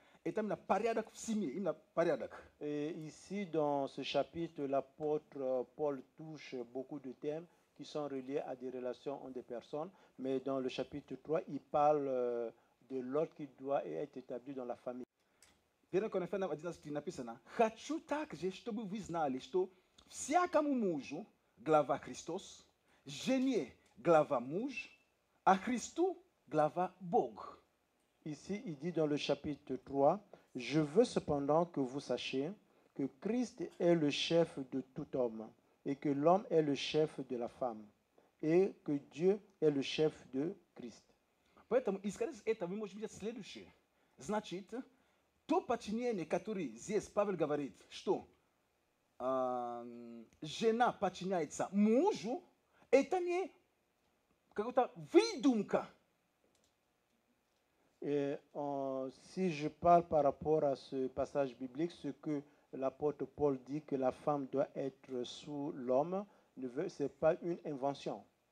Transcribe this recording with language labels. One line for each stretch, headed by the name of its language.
French: Et il y a un
Russian: порядок в семье,
French: il y a un порядок. Et ici, dans ce chapitre, l'apôtre Paul touche beaucoup de thèmes qui sont reliés à des relations entre des personnes. Mais dans le chapitre 3, il parle de l'ordre qui doit être établi dans la famille.
Russian: Первое Коринфянам 11,
French: il y a écrit,
Russian: « Хочу также, чтобы вы знали, что всякому мужу, глава Христос, жене, глава муж, а Христу, глава Бог. »
French: Ici, il dit dans le chapitre 3, « Je veux cependant que vous sachiez que Christ est le chef de tout homme et que l'homme est le chef de la femme et que Dieu est le chef de Christ. »
Russian: Поэтому, исходя из этого, мы можем видеть следующее. Значит, то подчинение, которое здесь Павел говорит, что жена подчиняется мужу, это не какая-то выдумка.
French: Si je parle par rapport à ce passage biblique, ce que l'apôtre Paul dit que la femme doit être sous l'homme, ce n'est pas une invention.